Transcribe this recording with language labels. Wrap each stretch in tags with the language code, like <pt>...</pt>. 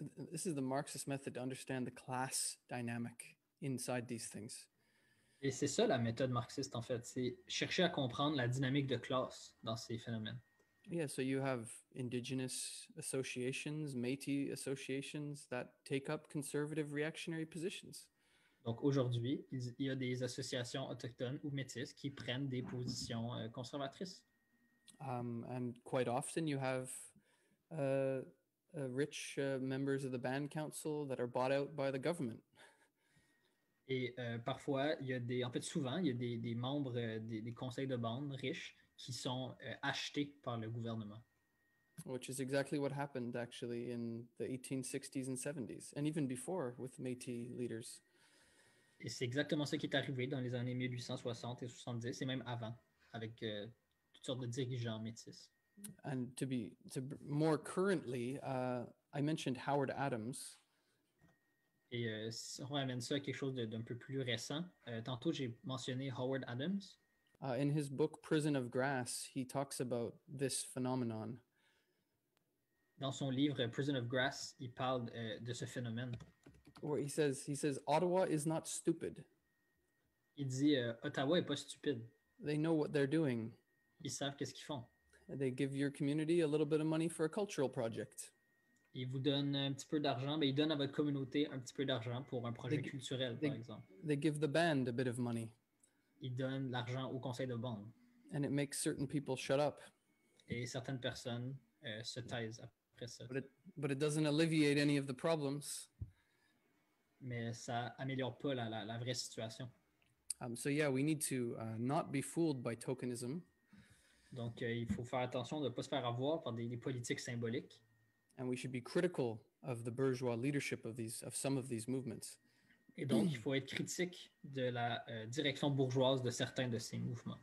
<en>This is the Marxist method to understand the class dynamic inside these things.</en> <fr>Et c'est ça la méthode marxiste, en fait, c'est chercher à comprendre la dynamique de classe dans ces phénomènes.</fr> <en>Yeah, so you have indigenous associations, Métis associations that take up conservative reactionary positions.</en> <fr>Donc aujourd'hui, il y a des associations autochtones ou métis qui prennent des positions conservatrices.</fr> <en>And quite often you have rich members of the band council that are bought out by the government.</en> <fr>Et parfois, il y a des membres des conseils de bande riches qui sont achetés par le gouvernement.</fr> <en>Which is exactly what happened actually in the 1860s and 70s and even before with Métis leaders.</en> <fr>Et c'est exactement ce qui est arrivé dans les années 1860 et 70, et même avant, avec toutes sortes de dirigeants métis.</fr> <en>And more currently, I mentioned Howard Adams.</en> <fr>Et si on ramène ça à quelque chose d'un peu plus récent, tantôt j'ai mentionné Howard Adams.</fr> <en>In his book Prison of Grass, he talks about this phenomenon.</en> <fr>Dans son livre Prison of Grass, il parle de ce phénomène.</fr> <en>Where he says Ottawa is not stupid.</en> <fr>Il dit Ottawa est pas stupide.</fr> <en>They know what they're doing.</en> <fr>Ils savent qu'est-ce qu'ils font.</fr> <en>They give your community a little bit of money for a cultural project.</en> <fr>Ils vous donnent un petit peu d'argent, mais ils donnent à votre communauté un petit peu d'argent pour un projet culturel, par exemple.</fr> <en>They give the band a bit of money.</en> <fr>Ils donnent l'argent au conseil de bande.</fr> <en>And it makes certain people shut up.</en> <fr>Et certaines personnes se taisent après ça.</fr> <en>But it doesn't alleviate any of the problems.</en> <fr>Mais ça améliore pas la vraie situation.</fr> <en>So yeah, we need to not be fooled by tokenism.</en> <fr>Donc il faut faire attention de pas se faire avoir par des politiques symboliques.</fr> <en>And we should be critical of the bourgeois leadership of some of these movements.</en> <fr>Et donc il faut être critique de la direction bourgeoise de certains de ces mouvements.</fr>